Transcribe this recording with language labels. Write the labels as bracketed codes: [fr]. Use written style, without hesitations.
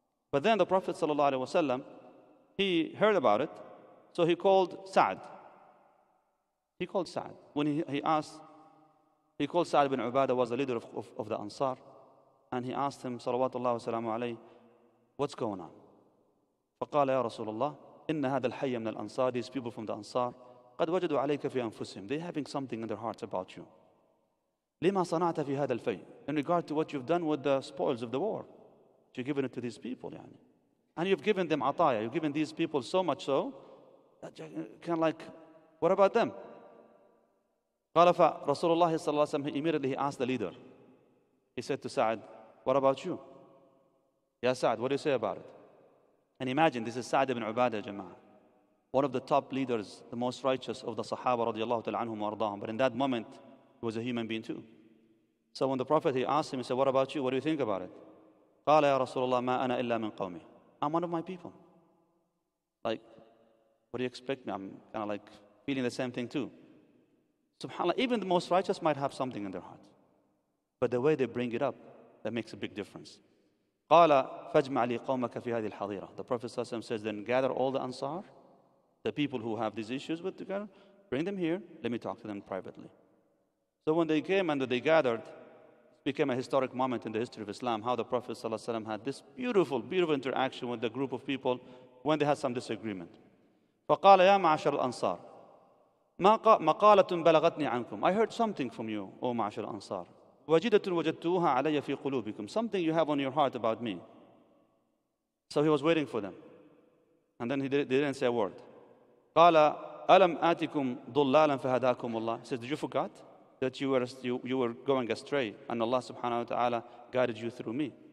[en] But then the Prophet sallallahu alaihi wasallam, he heard about it, so he called Sa'd. He called Sa'd. When he called Sa'd ibn Ubadah, was the leader of the Ansar, and he asked him, salawatullahi wa salamu alayhi, what's going on? [ar] فَقَالَ يَا رَسُولَ اللَّهِ إن هذا الحي من الأنصار. [en] These people from the Ansar, [ar] قد وجدوا عليك في أنفسهم. [en] They having something in their hearts about you. [ar] لما صنعت في هذا الفيء. [en] In regard to what you've done with the spoils of the war, you've given it to these people, يعني. And you've given them عطايا. You've given these people so much so that you can, like, what about them? [ar] قال فرسول الله صلى الله عليه وسلم, [en] immediately he asked the leader. He said to Sa'd, what about you? Ya Sa'd, what do you say about it? And imagine, this is Sa'd ibn Ubadah, jama'ah, one of the top leaders, the most righteous of the Sahaba, radiallahu ta'ala anhum wa ardahum. But in that moment, he was a human being too. So when the Prophet, he asked him, he said, what about you? What do you think about it? [ar] قال يا رسول الله ما أنا إلا من قومي. [en] I'm one of my people. Like, what do you expect me? I'm kind of like feeling the same thing too. SubhanAllah, even the most righteous might have something in their heart. But the way they bring it up, that makes a big difference. [ar] قال فاجمع لي قومك في هذه الحظيرة. [en] The Prophet ﷺ says, then gather all the Ansar, the people who have these issues with together, bring them here, let me talk to them privately. So when they came and they gathered, it became a historic moment in the history of Islam, how the Prophet ﷺ had this beautiful, beautiful interaction with the group of people when they had some disagreement. [ar] فقال يا معشر الأنصار مقالة بلغتني عنكم. [en] I heard something from you, O معشر الأنصار. [ar] وَجِدَةٌ وَجَدْتُوهَا عَلَيَّ فِي قُلُوبِكُمْ. [en] Something you have on your heart about me. So he was waiting for them. And then they didn't say a word. [ar] قَالَ أَلَمْ آتِكُمْ ضُلَّالًا فَهَدَاكُمُ اللَّهِ. [en] He says, did you forget that you were going astray and Allah subhanahu wa ta'ala guided you through me?